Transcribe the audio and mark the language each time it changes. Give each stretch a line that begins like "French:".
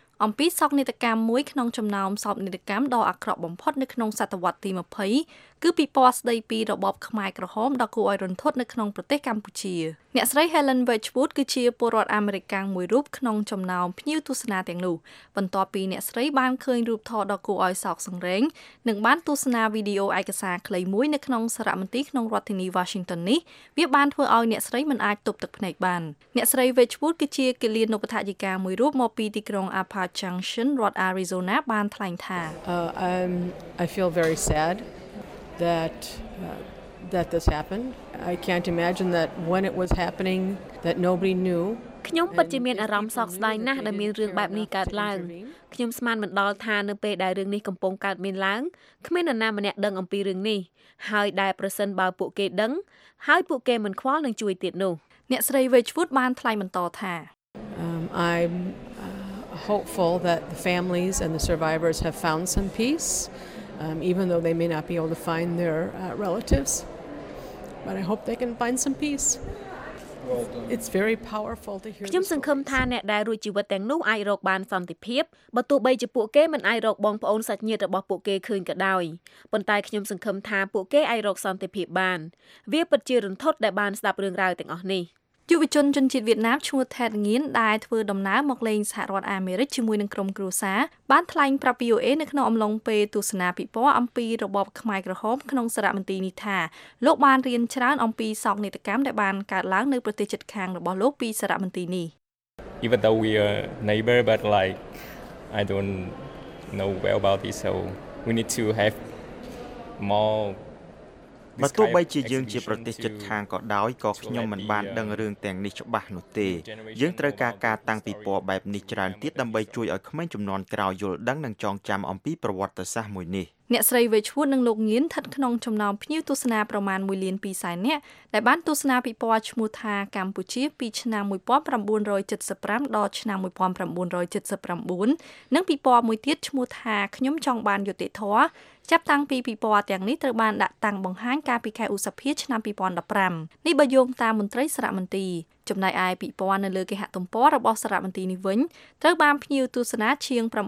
Khmer: អំពីសោកនាដកម្មមួយក្នុងចំណោមសោកនាដកម្មដ៏អាក្រក់បំផុតនៅក្នុងសតវត្សទី20គឺពីពណ៌ស្ដីពីរបបខ្មែរក្រហមដ៏គួរឲ្យរន្ធត់នៅក្នុងប្រទេសកម្ពុជាអ្នកស្រី Helen Wedgwood គឺជាពលរដ្ឋអាមេរិកមួយរូបក្នុងចំណោមភ្ញៀវទស្សនាទាំងនោះបន្ទាប់ពីអ្នកស្រីបានឃើញរូបថតដ៏គួរឲ្យសោកសង្រេង និងបានទស្សនាវីដេអូឯកសារខ្លីមួយនៅក្នុងសារមន្ទីរក្នុងរដ្ឋធានី Washington នេះវាបានធ្វើឲ្យអ្នកស្រីមិនអាចទប់ទឹកភ្នែកបានអ្នកស្រី Wedgwood គឺជាគិលានុបដ្ឋាយិកាមួយរូបមកពីទីក្រុង Apache Junction រដ្ឋ Arizona បានថ្លែងថា
English: I feel very sadthat this happened I can't imagine that when it was happening that nobody knew
Khmer: ខ្ញុំពិតជាមានអារម្មណ៍សោកស្ដាយណាស់ដែលមានរឿងបែបនេះកើតឡើងខ្ញុំស្មានមិនដល់ថានៅពេលដែលរឿងនេះកំពុងកើតមានឡើងគ្មាននរណាម្នាក់ដឹងអំពីរឿងនេះហើយដែលប្រសិនបើពួកគេដឹងហើយពួកគេមិនខ្វល់នឹងជួយទៀតនោះ អ្នកស្រី Wedgwood បានថ្លែងបន្តថា
English: I'm hopeful that the families and the survivors have found some peaceeven though they may not be able to find their relatives but I hope they can find some peace it's very powerful to hear
Khmer: ខ្ញុំសង្ឃឹមថាអ្នកដែលរួចជីវិតទាំងនោះអាចរកបានសន្តិភាពបើទោះបីជាពួកគេមិនអាចរកបងប្អូនសាច់ញាតិរបស់ពួកគេឃើញក៏ដោយប៉ុន្តែខ្ញុំសង្ឃឹមថាពួកគេអាចរកសន្តិភាពបានវាពិតជារន្ធត់ដែលបានស្ដាប់រឿងរ៉ាវទាំងអស់នេះ យុវជនជនជាតិវៀតណាមឈ្មោះថេតងៀនដែលធ្វើដំណើរមកលេងសហរដ្ឋអាមេរិកជាមួយនឹងក្រុមគ្រួសារបានថ្លែងប្រាប់ VOA នៅក្នុងអំឡុងពេលទស្សនាពិព័រណ៍អំពីរបបខ្មែរក្រហមក្នុងសារមន្ទីរនេះថាលោកបានរៀនច្រើនអំពីសោកនាដកម្មដែលបានកើតឡើងនៅប្រទេសជិតខាងរបស់លោកពីសារមន្ទីរនេះ
English: Even though we are neighbor but like I don't know well about this so we need to have more
Khmer: មកទោះបីជាយើងជាប្រទេសជិតខាងក៏ដោយក៏ខ្ញុំមិនបានដឹងរឿងទាំងនេះច្បាស់នោះទេយើងត្រូវការការតាំងពិព័រណ៍បែបនេះច្រើនទៀតដើម្បីជួយឲ្យក្មេងជំនាន់ក្រោយយល់ដឹងនិងចងចាំអំពីប្រវត្តិសាស្ត្រមួយនេះ អ្នកស្រីវេឈួតនិងលោកងៀនស្ថិតក្នុងចំណោមភ្ញៀវទស្សនាប្រមាណ1លាន2សែននាក់ដែលបានទស្សនាពិព័រណ៍ឈ្មោះថាកម្ពុជាពីឆ្នាំ1975ដល់ឆ្នាំ1979និងពិព័រណ៍មួយទៀតឈ្មោះថាខ្ញុំចង់បានយុត្តិធម៌ចាប់តាំងពីពិព័រណ៍ទាំងនេះត្រូវបានដាក់តាំងបង្ហាញកាលពីខែឧសភាឆ្នាំ2015នេះបើយោងតាមមន្ត្រីសារមន្ទីរចំណែកឯពិព័រណ៍នៅលើគេហទំព័ររបស់សារមន្ទីរនេះវិញត្រូវបានភ្ញៀវទស្សនាជាង